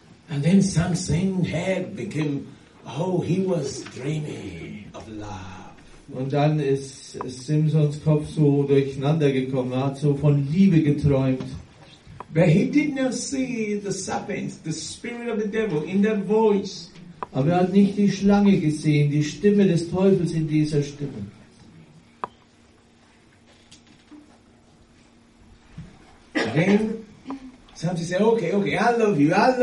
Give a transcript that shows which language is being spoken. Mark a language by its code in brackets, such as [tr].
[en] And then Samson's head became, oh, he was dreaming of love. [de] Und dann ist Samsons Kopf so durcheinander gekommen, hat so von Liebe geträumt. [en] But he did not see the serpent, the spirit of the devil, in that voice. [de] Aber er hat nicht die Schlange gesehen, die Stimme des Teufels in dieser Stimme. [en] Then Samson said, okay, I love you.